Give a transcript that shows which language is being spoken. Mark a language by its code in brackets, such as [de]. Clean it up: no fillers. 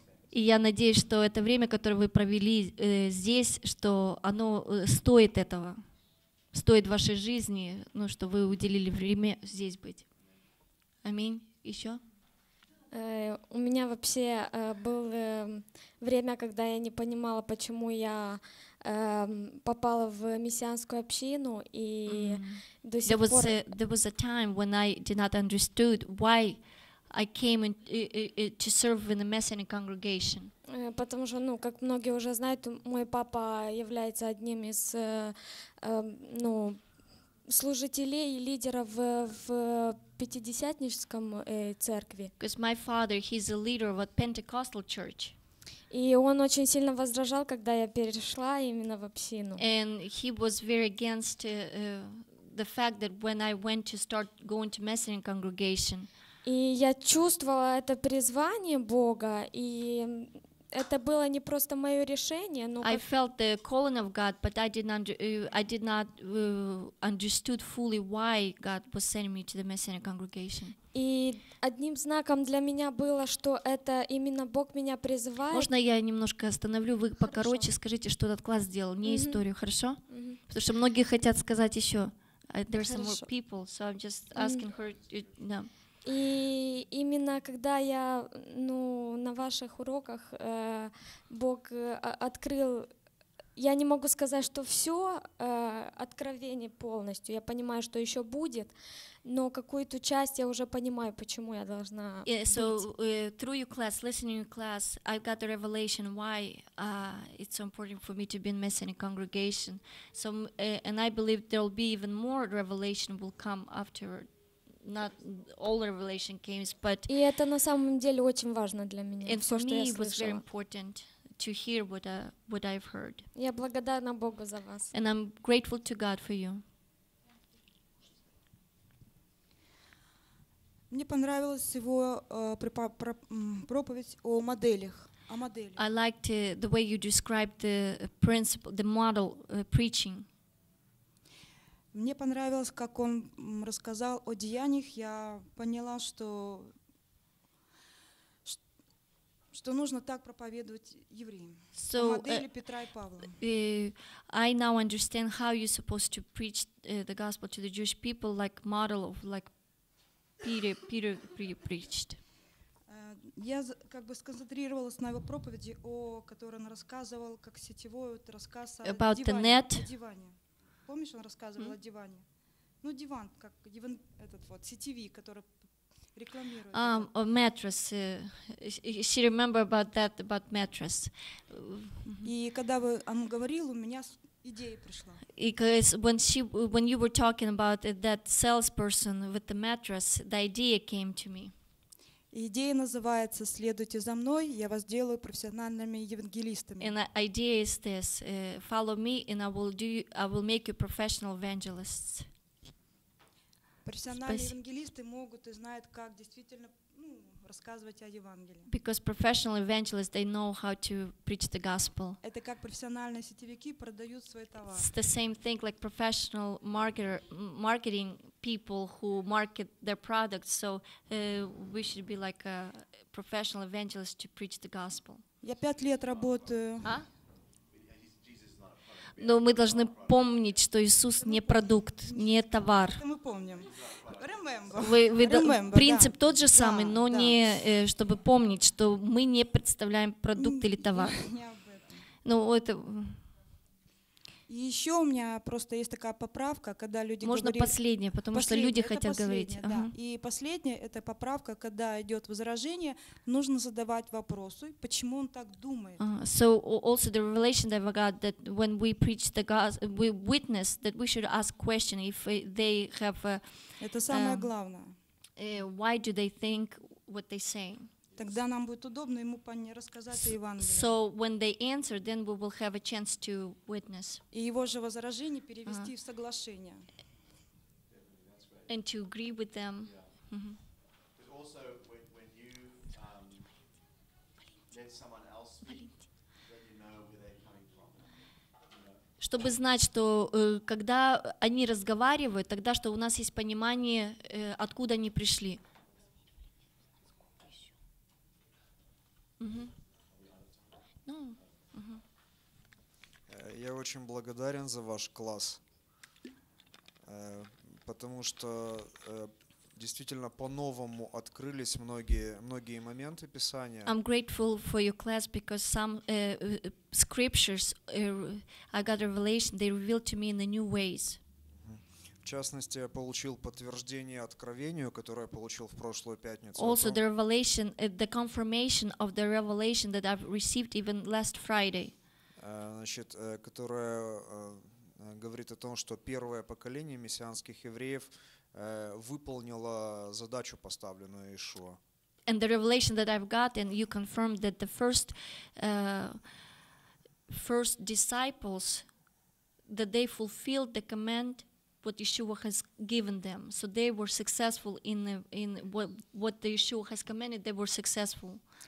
[ru] И я надеюсь, что это время, которое вы провели здесь, что оно стоит этого, стоит вашей жизни, ну, что вы уделили время здесь быть. Аминь. Еще? У меня вообще было время, когда я не понимала, почему я попала в мессианскую общину, и до сих пор... [en] There was a time when I did not understood why I came to serve in the messianic congregation. [ru] Потому что, ну, как многие уже знают, мой папа является одним из, ну, служителей и лидеров в пятидесятническом церкви. [en] Because my father, he's a leader of a Pentecostal church. [ru] И он очень сильно возражал, когда я перешла именно в общину. [en] And he was very against the fact that when I went to start going to Messianic congregation. [ru] И я чувствовала это призвание Бога, и это было не просто мое решение, но [en] I felt the calling of God, but I did not understood fully why God was sending me to the Messianic congregation. [ru] И одним знаком для меня было, что это именно Бог меня призывает. Можно я немножко остановлю? Вы хорошо. Покороче скажите, что этот класс сделал, не mm-hmm. историю, хорошо? Mm-hmm. Потому что многие хотят сказать еще. [en] There are some more people, so I'm just asking mm-hmm. her. No. [ru] И именно когда я, ну, на ваших уроках Бог открыл, я не могу сказать, что все откровение полностью, я понимаю, что еще будет, но какую-то часть я уже понимаю, почему я должна быть. [en] Yeah, so through your class, listening to your class, I've got the revelation why it's so important for me to be in Messianic congregation. So and I believe there will be even more revelation will come afterward. Not all revelation came, but [ru] и это на самом деле очень важно для меня. [en] And for me, it was [ru] слышала. [en] Very important to hear what I've heard. [ru] Я благодарна Богу за вас. [en] And I'm grateful to God for you. [ru] Мне понравилась его проповедь о моделях. О моделях. [en] I liked the way you described the principle, the model preaching. [ru] Мне понравилось, как он рассказал о деяниях. Я поняла, что нужно так проповедовать евреям. [en] So, [ru] модели Петра и Павла. [en] I now understand how you're supposed to preach the gospel to the Jewish people, like model of like Peter preached. [ru] я как бы сконцентрировалась на его проповеди, о которой он рассказывал, как сетевой вот рассказ [en] about [ru] диване, [en] the net. [ru] О диване. Помнишь, он рассказывал о диване? Ну, диван, как диван, этот вот, CTV, который рекламирует. [en] О mattress. She remember about that, about mattress. [ru] И когда он говорил, у меня идея пришла. [en] Because when you were talking about it, that salesperson with the mattress, the idea came to me. [ru] Идея называется «Следуйте за мной, я вас сделаю профессиональными евангелистами». [en] And the idea is this, follow me and I will make you professional evangelists. [ru] Профессиональные евангелисты могут и знают, как действительно рассказывать о Евангелии. [en] Because professional evangelists, they know how to preach the gospel. [ru] Это как профессиональные сетевики продают свои товары. [en] It's the same thing like professional marketing people who market their products. So we should be like a professional evangelist to preach the gospel. [ru] Я 5 лет работаю. Но мы должны помнить, что Иисус не продукт, не товар. Мы помним. Принцип тот же самый, но не чтобы помнить, что мы не представляем продукт или товар. Ну, это... И еще у меня просто есть такая поправка, когда люди говорят... Можно последнее, потому что люди хотят говорить. Да. Uh-huh. И последнее — это поправка, когда идет возражение, нужно задавать вопросы, почему он так думает. [en] So also the revelation that we got, that when we preach the gospel, we witness that we should ask questions if they have... [ru] Это самое главное. [en] Why do they think what they say? [ru] Тогда нам будет удобно ему рассказать о Евангелии. [en] So when they answer, then we will have a chance to witness. [ru] И его же возражение перевести в соглашение. [en] And to agree with them. Yeah. Mm-hmm. Also, when you let someone else speak, then you know where they're coming from. [ru] Чтобы знать, что когда они разговаривают, тогда что у нас есть понимание, откуда они пришли. Я очень благодарен за ваш класс, потому что действительно по-новому открылись многие моменты Писания. [en] I'm grateful for your class because some scriptures I got a revelation, they revealed to me in the new ways. [ru] В частности, я получил подтверждение откровению, которое я получил в прошлую пятницу. [en] Also, the revelation, the confirmation of the revelation that I've received even last Friday. [ru] Значит, которое говорит о том, что первое поколение мессианских евреев выполнило задачу, поставленную Иешуа. [en] And the revelation that I've got, and you confirmed that the first disciples, that they fulfilled the command what Yeshua has given them. So they were successful in what the Yeshua has commanded, they were successful.